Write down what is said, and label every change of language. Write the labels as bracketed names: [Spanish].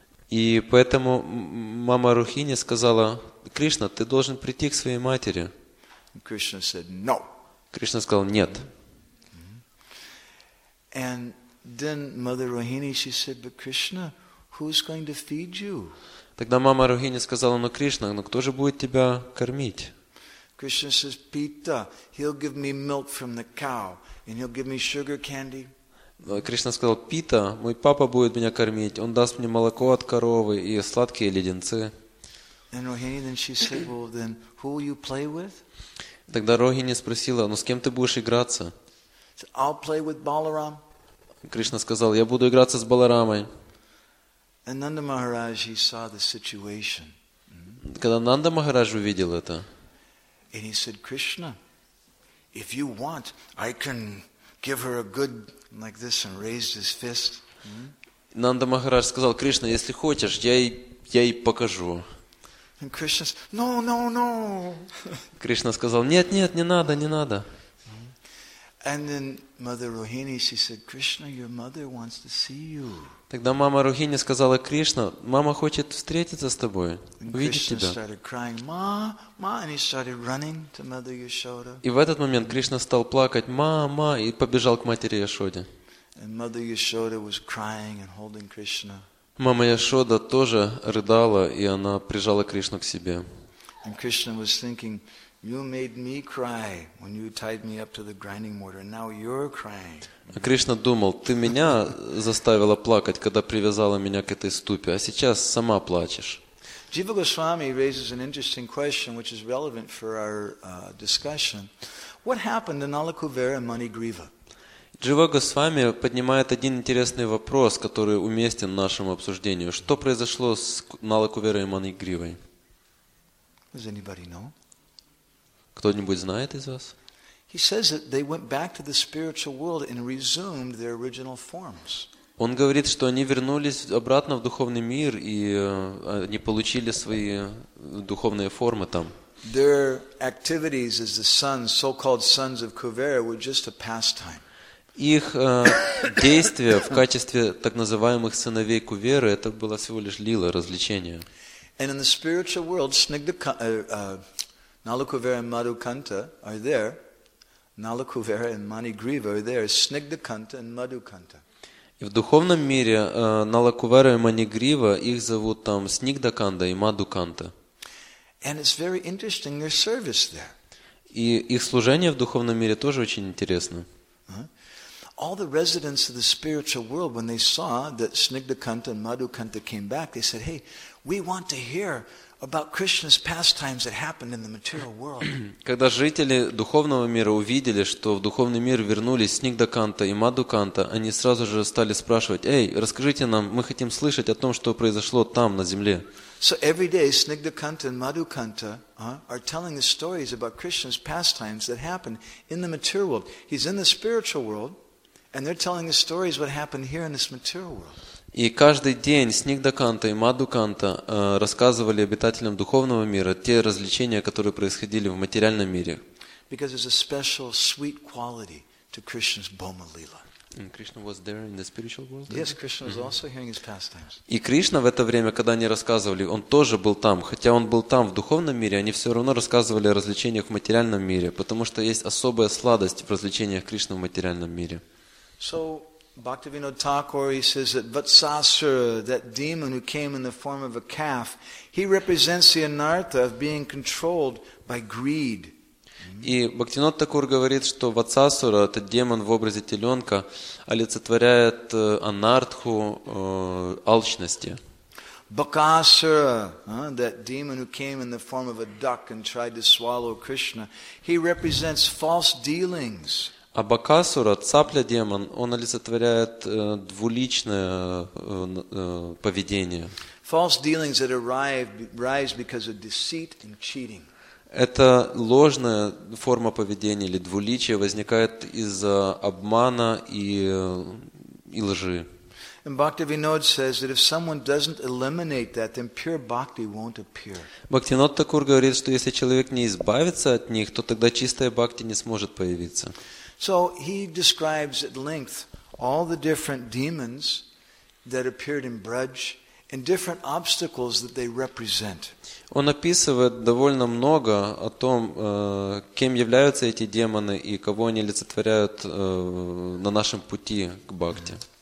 [Russian] И поэтому мама Рухини сказала, Кришна, ты должен прийти к своей матери. [English] Krishna said, no. [Russian] Кришна сказал, нет. [English] And then Mother Rohini, she said, but Krishna, who's going to feed you? [Russian] Тогда мама Рогини сказала, ну Кришна, ну кто же будет тебя кормить? [English] Krishna says, Pita, he'll give me milk from the cow, and he'll give me sugar candy. [Russian] Кришна сказал, Пита, мой папа будет меня кормить, он даст мне молоко от коровы и сладкие леденцы. [English] And Rohini, then she said, well, then who will you play with? [Russian] Тогда Рогини спросила, ну с кем ты будешь играться? [English] I'll play with Balaram. [Russian] Кришна сказал, я буду играться с Баларамой. [English] And Nanda Maharaj, he saw the situation. [Russian] Когда Нанда Махарадж увидел это, [English] and he said, Krishna, if you want, I can give her a good like this and raised his fist. [Russian] Нанда Махарадж сказал, Кришна, если хочешь, я ей покажу. [English] And Krishna said, no, no, no. [Russian] Кришна сказал, нет, нет, не надо, не надо. [English] And then Mother Rohini, she said, Krishna, your mother wants to see you. [Russian] Тогда мама Рухини сказала, Кришна, мама хочет встретиться с тобой, увидеть тебя. [English] Krishna started crying, ma, ma, and he started running to Mother Yashoda. [Russian] И в этот момент Кришна стал плакать, ма, ма, и побежал к матери Яшоде. [English] And Mother Yashoda was crying and holding Krishna. [Russian] Мама Яшода тоже рыдала, и она прижала Кришну к себе. [English] And Krishna was thinking, you made me cry when you tied me up to the grinding mortar, and now you're crying. [Russian] А Кришна думал, ты меня заставила плакать, когда привязала меня к этой ступе, а сейчас сама плачешь. [English] Jiva Goswami raises an interesting question, which is relevant for our discussion. What happened to Nalakuvera and Manigriva? [Russian] Jiva Goswami поднимает один интересный вопрос, который уместен в нашем обсуждении. Что произошло с Нала-Куверой и Манигривой? [English] Does anybody know? [Russian] Кто-нибудь знает из вас? [English] He says that they went back to the spiritual world and resumed their original forms. [Russian] Он говорит, что они вернулись обратно в духовный мир и они получили свои духовные формы там. [English] Their activities as the sons, so-called sons of Kuvera, were just a pastime. [Russian] Их действия в качестве так называемых сыновей Куверы это было всего лишь лила, развлечение. [English] And in the spiritual world, Nalukuvera and Madhukanta are there. Nalukuvera and Manigriva are there. Snigdakanta and Madhukanta. [Russian] И в духовном мире Налакувера и Манигрива их зовут там Снигдаканда и Мадуканта. [English] And it's very interesting their service there. [Russian] И их служение в духовном мире тоже очень интересно. [English] All the residents of the spiritual world, when they saw that Snigdakanta and Madhukanta came back, they said, "Hey, we want to hear about Krishna's pastimes that happened in the material world." [Russian] Когда жители духовного мира увидели, что в духовный мир вернулись Снигдаканта и Мадуканта, они сразу же стали спрашивать: "Эй, расскажите нам, мы хотим слышать о том, что произошло там на земле." [English] So every day Snigdakanta and Madhukanta are telling the stories about Krishna's pastimes that happened in the material world. He's in the spiritual world and they're telling the stories what happened here in this material world. [Russian] И каждый день Снигдаканта и Мадуканта рассказывали обитателям духовного мира те развлечения, которые происходили в материальном мире. [English] Because there's a special sweet quality to Krishna's Bhoma Lila. And Krishna was there in the spiritual world? Yes, Krishna was also hearing his pastimes. [Russian] И Кришна в это время, когда они рассказывали, он тоже был там, хотя он был там в духовном мире, они все равно рассказывали о развлечениях в материальном мире, потому что есть особая сладость в развлечениях Кришны в материальном мире. [English] So Bhaktivinoda Thakur, he says that Vatsasura, that demon who came in the form of a calf, he represents the anartha of being controlled by greed. [Russian] И Бхактинот Такур говорит, что Ватсасура, этот демон в образе теленка, олицетворяет анартху алчности. [English] Бакасура, that demon who came in the form of a duck and tried to swallow Krishna, he represents false dealings. [Russian] А Бакасура, цапля-демон, он олицетворяет двуличное поведение. [English] False dealings that arise because of deceit and cheating. [Russian] Это ложная форма поведения или двуличие возникает из-за обмана и лжи. [English] And Bhaktivinoda says that if someone doesn't eliminate that, then pure bhakti won't appear. [Russian] Бхактинот Такур говорит, что если человек не избавится от них, то тогда чистая бхакти не сможет появиться. [English] So he describes at length all the different demons that appeared in Braj and different obstacles that they represent. [Russian] Он описывает довольно много о том, кем являются эти демоны и кого они олицетворяют на нашем пути к бхакти.